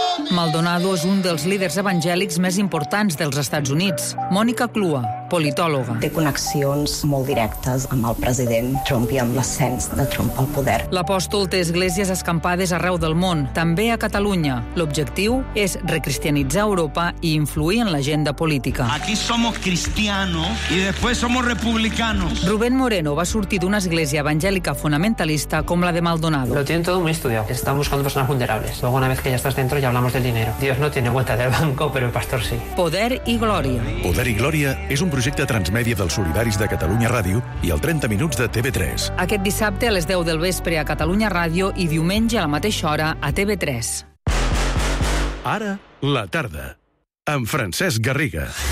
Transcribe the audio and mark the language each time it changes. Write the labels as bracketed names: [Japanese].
[Catalan] Maldonado és un dels líders evangèlics més importants dels Estats Units. Mònica Clua, politòloga. Té connexions molt directes amb el president Trump i amb l'ascens de Trump al poder. L'apòstol té esglésies escampades arreu del món, també a Catalunya. L'objectiu és recristianitzar Europa i influir en l'agenda política. [Spanish] Aquí somos cristianos y después somos republicanos. [Catalan] Rubén Moreno va sortir d'una església evangèlica fundamentalista com la de Maldonado. [Spanish] Lo tienen todo muy estudiado. Están buscando personas vulnerables. Luego, una vez que ya estás dentro, ya hablamos del dinero. Dios no tiene cuenta del banco, pero el pastor sí. [Catalan] Poder i glòria. Poder i glòria és un projecte transmèdia dels solidaris de Catalunya Ràdio i el 30 minuts de TV3. Aquest dissabte a les 10 del vespre a Catalunya Ràdio i diumenge a la mateixa hora a TV3. Ara, la tarda, amb Francesc Garriga.